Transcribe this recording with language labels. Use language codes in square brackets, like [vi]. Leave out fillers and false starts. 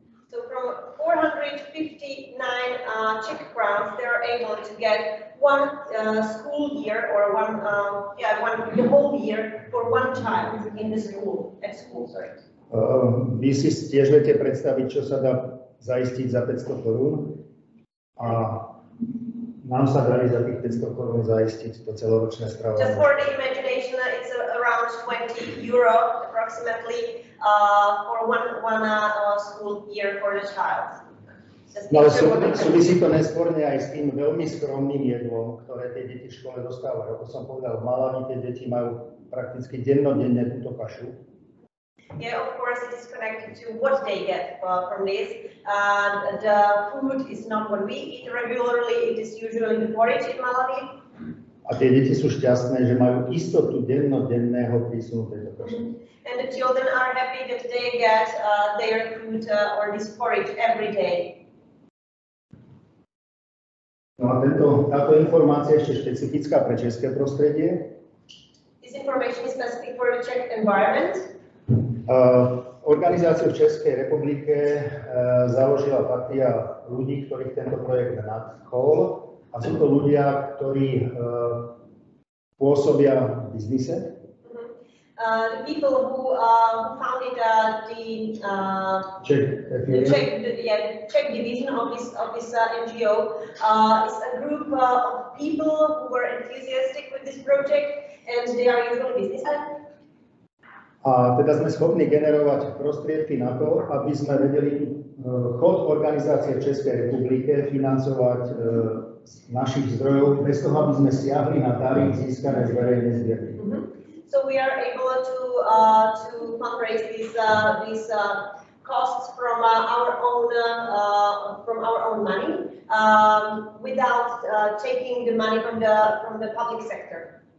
[en] So from 459 Czech crowns, they are able to get one school year or one, the whole year for one child in the school, at school, sorry. [sk] Vy si tiež viete predstaviť, čo sa dá zaistiť za 500 korún a nám sa dá za tých 500 korún zaistiť to celoročné stravovanie. [en] Just for the imagination, it's around 20 euro approximately for one school year for the child. [sk] Ale súvisí to nesporne aj s tým veľmi skromným jedlom, ktoré tie deti v škole dostávajú. Ako som povedal, v Malawi tie deti majú prakticky dennodenne túto kašu. [en] Yeah, of course it is connected to what they get from this. The food is not what we eat regularly, it is usually the porridge in Malawi. [sk] A tie deti sú šťastné, že majú istotu dennodenného prísunu tejto kaše. [en] And the children are happy that they get their food or this porridge every day. [sk] No a táto informácia je ešte špecifická pre české prostredie. [en] This information is specific for the Czech environment. [sk] Organizáciu v Českej republike založila partia ľudí, ktorých tento projekt nadchol. A sú to ľudia, ktorí pôsobia v biznise. [en] The people who founded the Czech division of this NGO is a group of people who were enthusiastic with this project and they are usually businessmen. [sk] A teda sme schopní generovať prostriedky na to, aby sme vedeli chod organizácie v Českej republike financovať našich zdrojov bez toho, aby sme siahli na dary získané z verejnej zbierky. [en] So we are able to fundraise these costs from our own money without taking the money from the public sector.